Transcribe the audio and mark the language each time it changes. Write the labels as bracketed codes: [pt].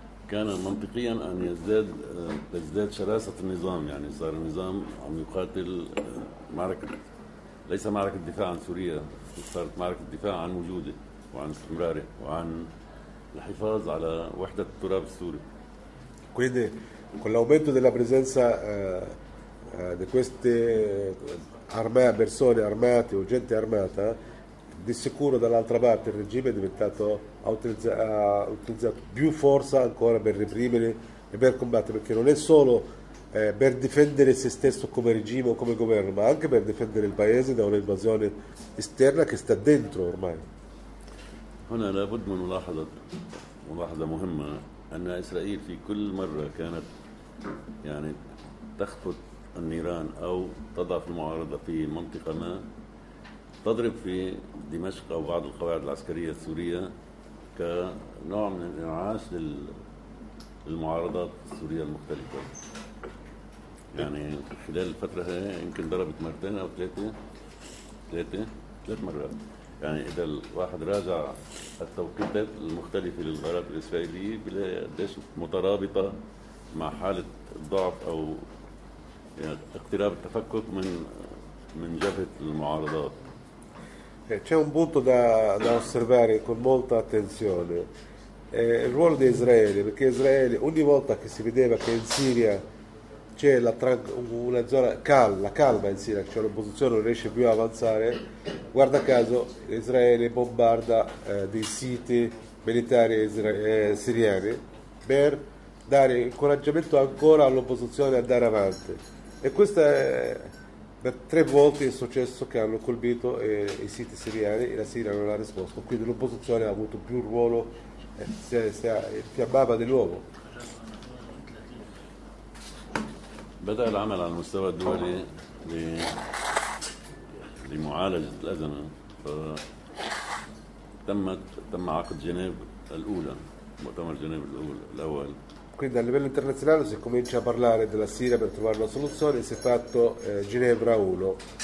[ar] كان منطقيا ان يزداد شراسه النظام يعني صار النظام عم يقاتل معركه ليس معركة الدفاع عن سوريا، صارت معركة الدفاع عن وجوده وعن استمراره وعن الحفاظ على وحدة التراب السوري. [it] Quindi con l'aumento della presenza di queste persone armate o gente armata, di sicuro dall'altra parte il regime è diventato, ha utilizzato più forza ancora per reprimere e per combattere, perché non è solo per difendere se stesso come regime o come governo, ma anche per difendere il paese da un'invasione esterna che sta dentro ormai. [ar] هنا لابد من ملاحظة مهمة أن إسرائيل في كل مرة كانت يعني تخطط النيران أو تضع في المعارضة في منطقة ما تضرب في دمشق أو بعض القواعد العسكرية السورية كنوع من الإنعاش للمعارضات السورية المختلفة. يعني خلال الفترة هاي يمكن ضربت مرتين أو ثلاث مرات. يعني إذا الواحد راجع التوقيتات المختلفة للغارات الإسرائيلية بلاقي قديش مترابطة مع حالة الضعف أو يعني اقتراب التفكك من جبهة المعارضات. [it] C'è un punto da osservare con molta attenzione. il ruolo di Israele, perché Israele ogni volta che si vedeva che in Siria c'è una zona calma in Siria, cioè l'opposizione non riesce più ad avanzare, guarda caso Israele bombarda dei siti militari siriani per dare incoraggiamento ancora all'opposizione ad andare avanti. E questo per tre volte è successo che hanno colpito i siti siriani e la Siria non ha risposto, quindi l'opposizione ha avuto più ruolo, si infiammava di nuovo. [ar] بدأ العمل على المستوى الدولي لمعالجة الأزمة، فتم عقد جنيف الأولى، مؤتمر جنيف الأول. [it] Quindi a livello internazionale si comincia a parlare della Siria per trovare una soluzione e si è fatto Ginevra 1.